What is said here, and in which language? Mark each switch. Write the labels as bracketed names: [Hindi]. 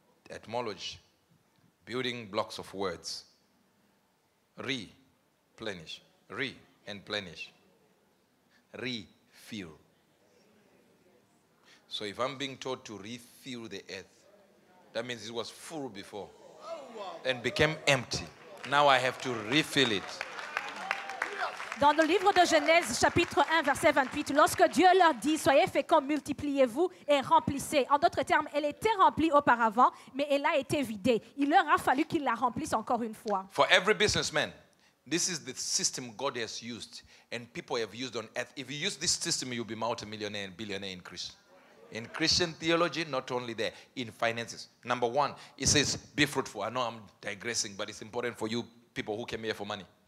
[English] Etymology, building blocks of words. Replenish, re, and plenish. Refill. So if I'm being taught to refill the earth, that means it was full before and became empty. Now I have to refill it. [French] Dans le livre de Genèse, chapitre 1, verset 28, lorsque Dieu leur dit, soyez féconds, multipliez-vous et remplissez. En d'autres termes, elle était remplie auparavant, mais elle a été vidée. Il leur a fallu qu'ils la remplissent encore une fois. [English] For every businessman, this is the system God has used and people have used on earth. If you use this system, you'll be multimillionaire and billionaire in Christian. In Christian theology, not only there, in finances. Number one, it says, be fruitful. I know I'm digressing, but it's important for you people who came here for money.